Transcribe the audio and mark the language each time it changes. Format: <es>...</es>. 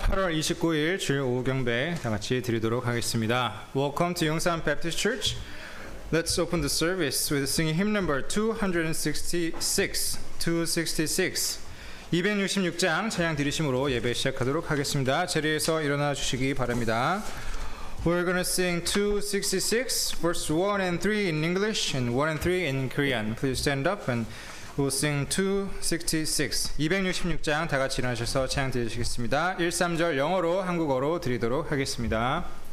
<ko>8월 29일 주일 오후 경배 다 같이 드리도록 하겠습니다.</ko> <en>Welcome to Yongsan Baptist Church. Let's open the service with singing hymn number 266.</en> <ko>266장 찬양 드리심으로 예배 시작하도록 하겠습니다. 자리에서 일어나 주시기 바랍니다.</ko> <en>We're going to sing 266, verse 1 and 3 in English and 1 and 3 in Korean. Please stand up and we'll sing 266.</en> <ko>266장 다 같이 일어나셔서 찬양 드리겠습니다. 1, 3절 영어로 한국어로 드리도록 하겠습니다.</ko>